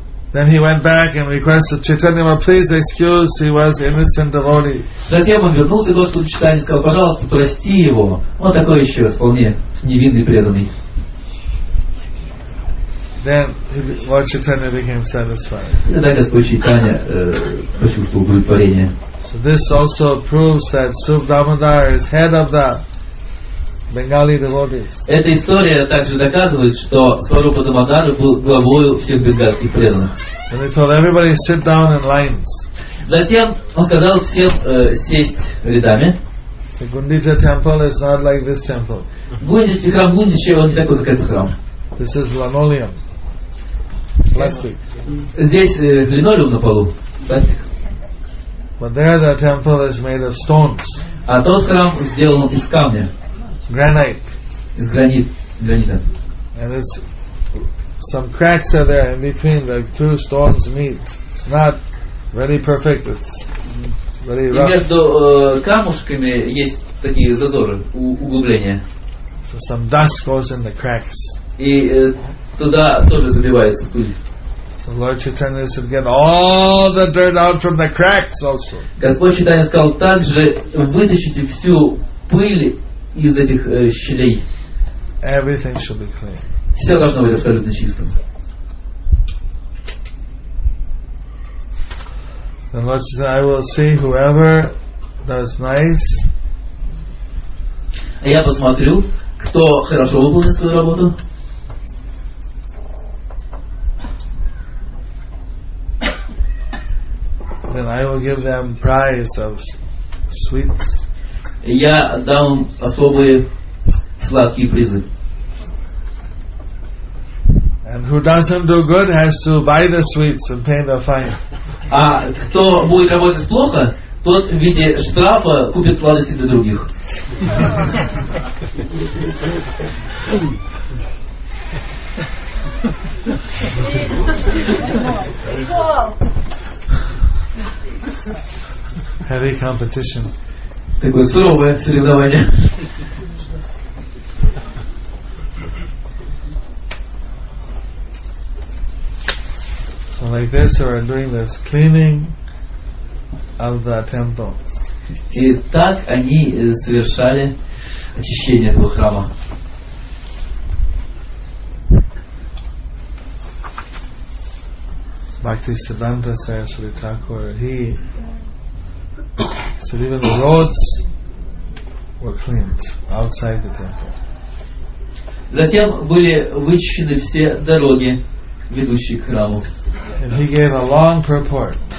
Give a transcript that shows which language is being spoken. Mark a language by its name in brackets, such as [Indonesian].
[English] Then he went back and requested Chaitanya Mahaprabhu, please excuse, he was innocent devotee. [Russian] Затем он вернулся к Господу Читанию и сказал, пожалуйста, прости его, он такой еще вполне невинный преданный. [English] Then Lord Chaitanya became satisfied. [Russian] Тогда Господь Читанья почувствовал удовлетворение. [English] So this also proves that Sarupa Damodara is head of the Bengali devotees. [Russian] Эта история также доказывает, что Сварупа Дамодара был главою всех бенгальских преданных. [English] And they told everybody sit down in lines. [Russian] Затем он сказал всем сесть рядами. [English] So Гундича temple is not like this temple. [Russian] Гундича храм Гундича он не такой, как этот храм. [English] This is linoleum. Plastic. [Russian] Здесь линолеум на полу. Пластик. [English] But there the temple is made of stones. [Russian] А тот храм сделан из камня. [English] Granite. [Russian] Из гранита. [English] And it's some cracks are there in between the two stones meet. It's not very perfect. It's very rough. [Russian] И между камушками есть такие зазоры, углубления. [English] So some dust goes in the cracks. [Russian] И туда тоже забивается пыль. [English] So Lord Chaitanya said, get all the dirt out from the cracks also. [Russian] Господь Читания сказал также, вытащите всю пыль из этих щелей. [English] Everything should be clean. [Russian] Все должно быть абсолютно чистым. [English] The Lord says, I will see whoever does nice. [Russian] Я посмотрю, кто хорошо выполнит свою работу. [English] Then I will give them prize of sweets. [Russian] Я дам особые сладкие призы. [English] And who doesn't do good has to buy the sweets and pay the fine. [Russian] А кто будет работать плохо, тот в виде штрафа купит сладости для других. [English] Heavy competition. [Russian] Такое суровое соревнование. [English] So like this, we are doing this cleaning of the temple. [Russian] И так они совершали очищение этого храма. [English] Bhaktisiddhanta Saraswati Thakur, he said even the roads were cleaned outside the temple. [Russian] Затем были вычищены все дороги, ведущие к храму. [English] And he gave a long purport.